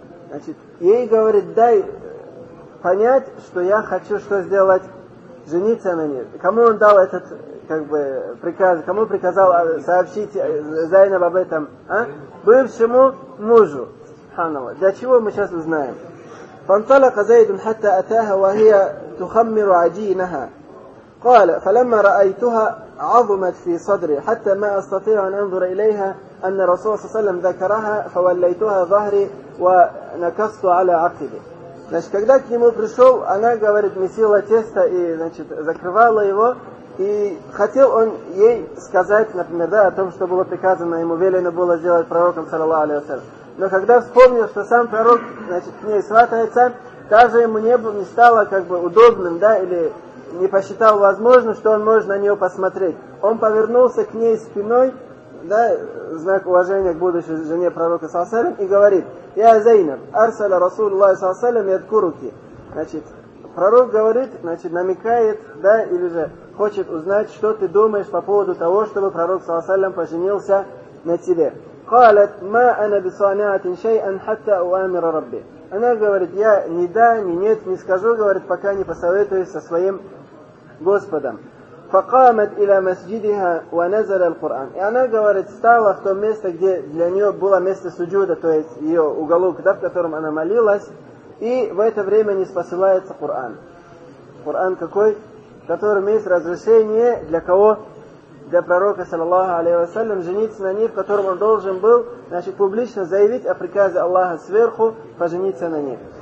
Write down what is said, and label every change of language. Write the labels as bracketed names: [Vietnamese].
[Russian] Значит, ей говорит: «Дай понять, что я хочу что сделать жениться на ней. Кому он дал этот, как бы, приказ, кому приказал сообщить Зайнаб об этом? А? Бывшему мужу. Субханаллах. Для чего мы сейчас узнаем? [Arabic] Фанталака Зайдун хатта атаха вахия тухаммиру аджинаха. قال فلما رأيتها عظمت في صدري حتى ما أستطيع أن أنظر إليها أن رسول الله صلى الله عليه وسلم ذكرها فوليتها ظهري ونكست على عقبي. [Russian] Значит, когда к нему пришел, она говорит, месила тесто и значит закрывала его, и хотел он ей сказать, например, да, о том, что было приказано ему, велено было сделать пророком саллаллаху алейхи ва саллям. Но когда вспомнил, что сам пророк, значит, к ней сватается, даже ему не стало как бы удобным, да, или не посчитал возможным, что он может на нее посмотреть. Он повернулся к ней спиной, да, знак уважения к будущей жене пророка саллаллаху алейхи ва саллям, и говорит: «Я Зайнаб, [Arabic] арсала Расулуллахи саллаллаху алейхи ва саллям ядкуруки». [Russian] Значит, пророк говорит, значит, намекает, да, или же хочет узнать, что ты думаешь по поводу того, чтобы пророк саллаллаху алейхи ва саллям поженился на тебе. [Arabic] قالت ما انا بصانعه شيئا حتى اوامر ربي. [Russian] Она говорит: я ни да, ни нет не скажу, говорит, пока не посоветуюсь со своим Господом. [Arabic] فقامت الى مسجدها ونزل القران. [Russian] И она говорит, встала в то место, где для нее было место суджуда, то есть ее уголок, да, в котором она молилась, и в это время ниспосылается Коран. Коран какой? В котором есть разрешение для кого? Для пророка, саллаллаху алейхи ва саллям, жениться на ней, в котором он должен был, значит, публично заявить о приказе Аллаха сверху, пожениться на ней.